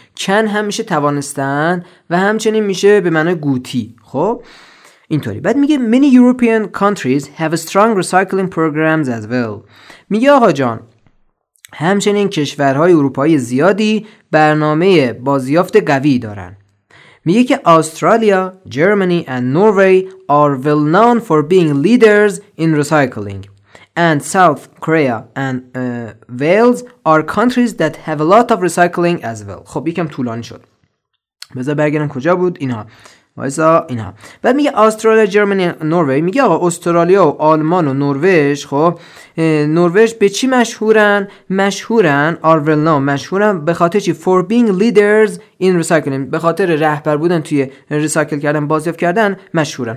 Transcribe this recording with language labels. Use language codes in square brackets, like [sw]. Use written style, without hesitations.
[fa] کن هم میشه توانستن و همچنین میشه به معنی گوتی. خب اینطوری. بعد میگه [en] many European countries have strong recycling programs as well. [fa] میگه آقا جان همچنین کشورهای اروپایی زیادی برنامه بازیافت قوی دارن. میگه که استرالیا، جرمنی و نروژ [en] are well known for being leaders in recycling and South Korea and Wales are countries that have a lot of recycling as well. [fa] خب یکم طولانی شد، بذار برگردم کجا بود اینا، وایسا اینا. بعد میگه استرالیا، جرمنی، نروژ. میگه آقا استرالیا و آلمان و نروژ، خب نروژ به چی مشهورن آرولنا مشهورن به خاطر چی؟ [en] for being leaders in recycling، [fa] به خاطر رهبر بودن توی ریسایکل کردن، بازیافت کردن مشهورن.